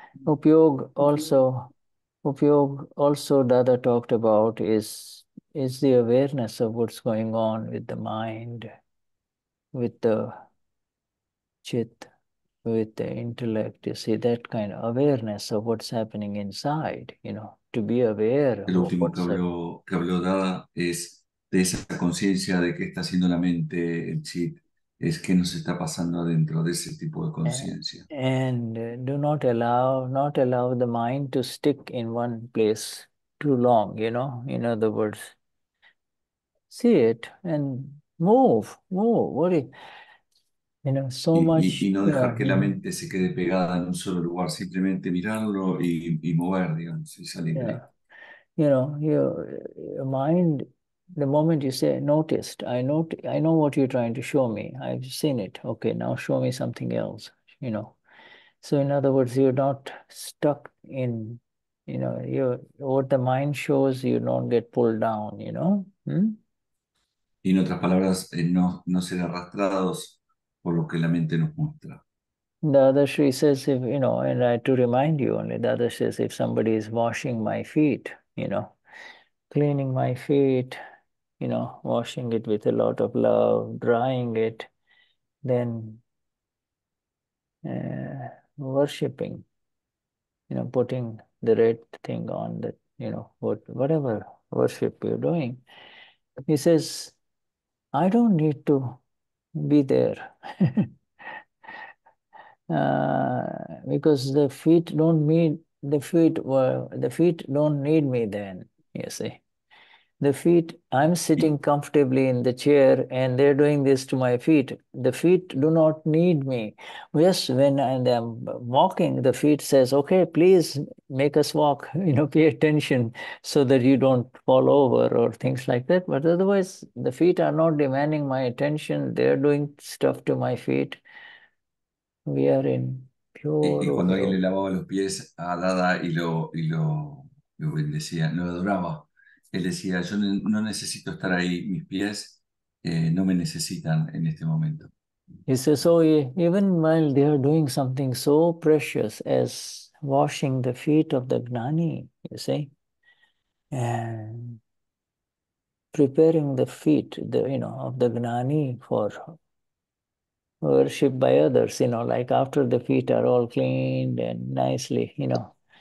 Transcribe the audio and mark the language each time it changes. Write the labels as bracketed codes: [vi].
[en] Upyog also Dada talked about is the awareness of what's going on with the mind, with the chit, with the intellect, you see, that kind of awareness of what's happening inside, you know, to be aware. [es] El último que habló Dada es de esa conciencia de qué está haciendo la mente, el chit. Es que nos está pasando adentro de ese tipo de conciencia. [en] And do not allow the mind to stick in one place too long, you know. In other words, see it and move, worry. You know, so much. [es] Y no dejar que la mente se quede pegada en un solo lugar, simplemente mirarlo y mover, digamos, y salir. [en] You know, your mind the moment you say noticed, I know what you're trying to show me. I've seen it. Okay, now show me something else, you know. So in other words, you're not stuck in, you know, what the mind shows, you don't get pulled down, you know. [es] Y en otras palabras, no ser arrastrados por lo que la mente nos muestra. [en] Dadashri says, if, you know, and I to remind you only, Dadashri says, if somebody is washing my feet, you know, cleaning my feet, you know, washing it with a lot of love, drying it, then worshipping, you know, putting the red thing on that, you know, whatever worship you're doing. He says, I don't need to be there. because the feet don't mean the feet were the feet don't need me then, you see. The feet, I'm sitting comfortably in the chair and they're doing this to my feet. The feet do not need me. Just when I'm walking, the feet says, okay, please make us walk, you know, pay attention so that you don't fall over or things like that. But otherwise, the feet are not demanding my attention. They're doing stuff to my feet. We are in pure... [es] Y cuando alguien le lavaba los pies a Dada y lo bendecía, lo adoraba. Él decía, yo no necesito estar ahí, mis pies no me necesitan en este momento. [en] He says, so even while they are doing something so precious as washing the feet of the Gnani, you see, and preparing the feet, of the Gnani for worship by others, you know, like after the feet are all cleaned and nicely, you know.